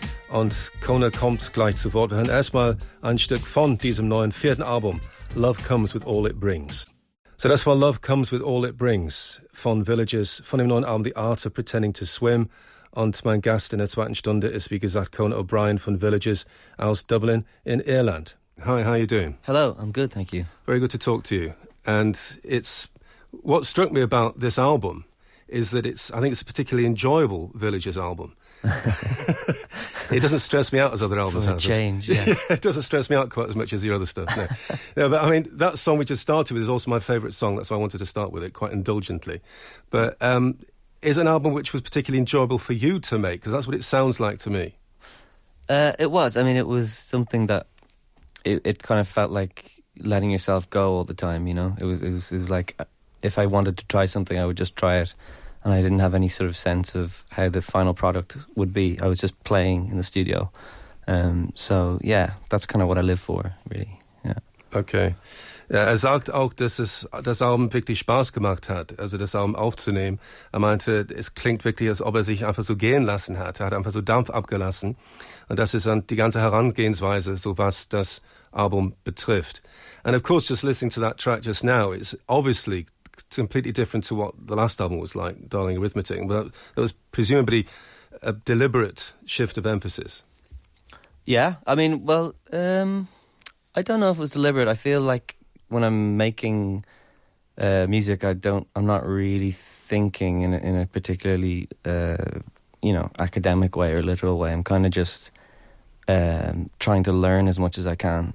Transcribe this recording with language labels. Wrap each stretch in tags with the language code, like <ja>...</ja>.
<de>Und Conor kommt gleich zu Wort. Wir hören erstmal ein Stück von diesem neuen vierten Album, Love Comes With All It Brings. So das war Love Comes With All It Brings von Villages, von dem neuen Album The Art of Pretending to Swim. Und mein Gast in der zweiten Stunde ist, wie gesagt, Conor O'Brien von Villages aus Dublin in Irland.</de> <en>Hi, how are you doing? Hello, I'm good, thank you. Very good to talk to you. And it's what struck me about this album is that it's, I think it's a particularly enjoyable Villages album. It doesn't stress me out as other albums have. For a change, yeah. It doesn't stress me out quite as much as your other stuff. No. No, but I mean, that song we just started with is also my favourite song. That's why I wanted to start with it quite indulgently. But is an album which was particularly enjoyable for you to make? Because that's what it sounds like to me. It was. I mean, it was something that it kind of felt like letting yourself go all the time, you know? It was like if I wanted to try something, I would just try it. And I didn't have any sort of sense of how the final product would be. I was just playing in the studio. So, yeah, that's kind of what I live for, really. Yeah. Okay.</en> <de>Ja, er sagt auch, dass es das Album wirklich Spaß gemacht hat, also das Album aufzunehmen. Er meinte, es klingt wirklich, als ob er sich einfach so gehen lassen hat. Er hat einfach so Dampf abgelassen. Und das ist dann die ganze Herangehensweise, so was das Album betrifft.</de> <en>And of course, just listening to that track just now, it's obviously completely different to what the last album was like, Darling Arithmetic. But it was presumably a deliberate shift of emphasis. Yeah, I mean, well, I don't know if it was deliberate. I feel like when I'm making music, I'm not really thinking in a particularly, you know, academic way or literal way. I'm kind of just trying to learn as much as I can.</en>